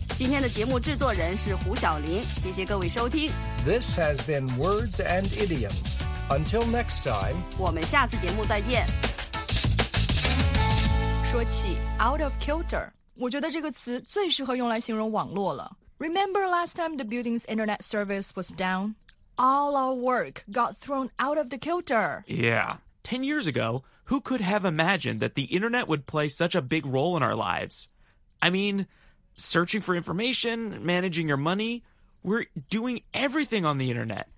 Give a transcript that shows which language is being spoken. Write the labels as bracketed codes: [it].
[zh] 今天的节目制作人是胡晓琳，谢谢各位收听。 [en] This has been Words and Idioms. Until next time. [zh] 我们下次节目再见。说起 out of kilter, 我觉得这个词最适合用来形容网络了。 [en] Remember last time the building's internet service was down? All our work got thrown out of the kilter. Yeah. 10 years ago, who could have imagined that the internet would play such a big role in our lives? I mean... Searching for information, managing your money, we're doing everything on the internet.